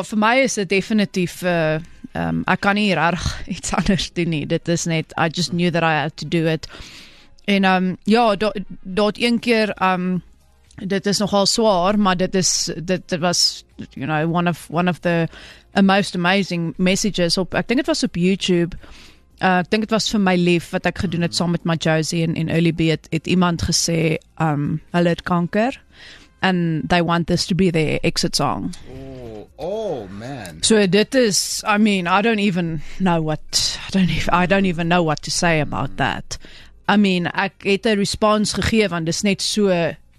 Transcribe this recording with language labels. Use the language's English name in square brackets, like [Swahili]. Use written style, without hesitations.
[Afrikaans] vir my is dit definitief, ek kan nie rarig iets anders doen nie. Dit is net, [English] I just knew that I had to do it. [Afrikaans] En dat een keer, dit is nogal swaar, maar dit was, [English] you know, one of the most amazing messages [Afrikaans] op, ek dink het was op YouTube, ek dink het was vir my lief, wat ek gedoen het saam met my Josie en Early B, het iemand gesê, hulle het kanker, [English] and they want this to be their exit song. Oh, oh man. So that is, I mean, I don't even know what, I don't even know what to say about that. I mean, [Afrikaans] ek het 'n response gegee want dis net so